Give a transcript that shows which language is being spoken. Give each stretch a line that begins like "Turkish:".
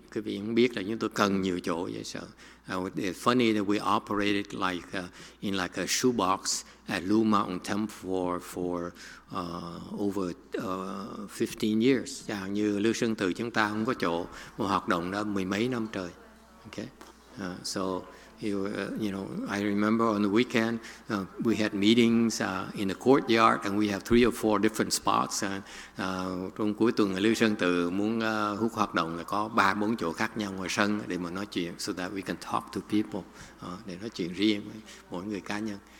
Vietnamese: Quý vị không biết là chúng tôi cần nhiều chỗ vậy sợ.
English: It's funny that we operated in a shoebox at Lu Mountain Temple for over 15 years.
Vietnamese: Chẳng như Lưu Sơn Tự chúng ta không có chỗ mà hoạt động đó mười mấy năm trời.
English: Okay, so you know, I remember on the weekend we had meetings in the courtyard, and we have 3 or 4 different spots.
Vietnamese: Trong cuối tuần ở Lưu Sơn Tự muốn hút hoạt động là có 3-4 chỗ khác nhau ngoài sân để mà nói chuyện,
English: so that we can talk to people,
Vietnamese: để nói chuyện riêng với mỗi người cá nhân.